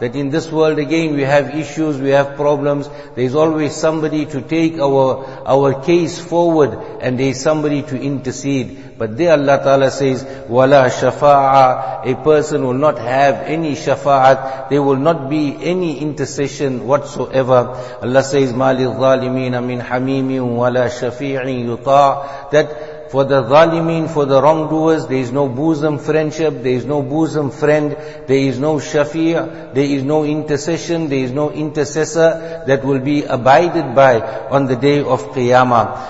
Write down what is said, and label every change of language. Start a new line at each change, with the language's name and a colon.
English: That in this world again, we have issues, we have problems, there is always somebody to take our case forward, and there is somebody to intercede. But there Allah ta'ala says, wala shafa'a. A person will not have any shafa'at, there will not be any intercession whatsoever. Allah says,
Arabic: mali الظالمين من حميم ولا شفيع يطاع.
English: That for the zalimin, for the wrongdoers, there is no bosom friendship, there is no bosom friend, there is no shafi'a, there is no intercession, there is no intercessor that will be abided by on the day of Qiyamah.